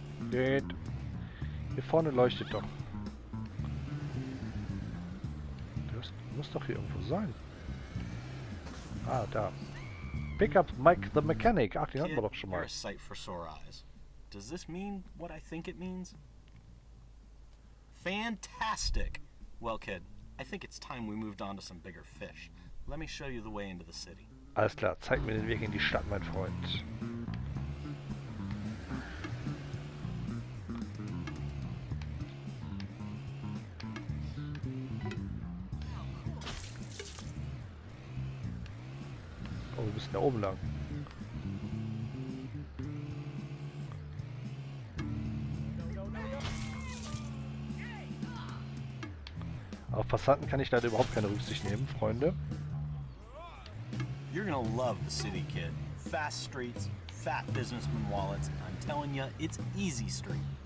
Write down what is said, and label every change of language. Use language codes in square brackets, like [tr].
[en] Dead. [de] Hier vorne leuchtet doch. Das muss doch hier irgendwo sein. Ah, da. [en] Pick up Mike the Mechanic. [de] Ach, den hatten wir doch schon mal. [en] You're a sight for sore eyes. Does this mean what I think it means? Fantastic! Well, kid, I think it's time we moved on to some bigger fish. Let me show you the way into the city. [de] Alles klar, zeig mir den Weg in die Stadt, mein Freund. Oh, wir müssen da oben lang. Auf Passanten kann ich leider überhaupt keine Rücksicht nehmen, Freunde. [en] You're gonna love the city, kid. Fast streets, fat businessman wallets. I'm telling you, it's easy street.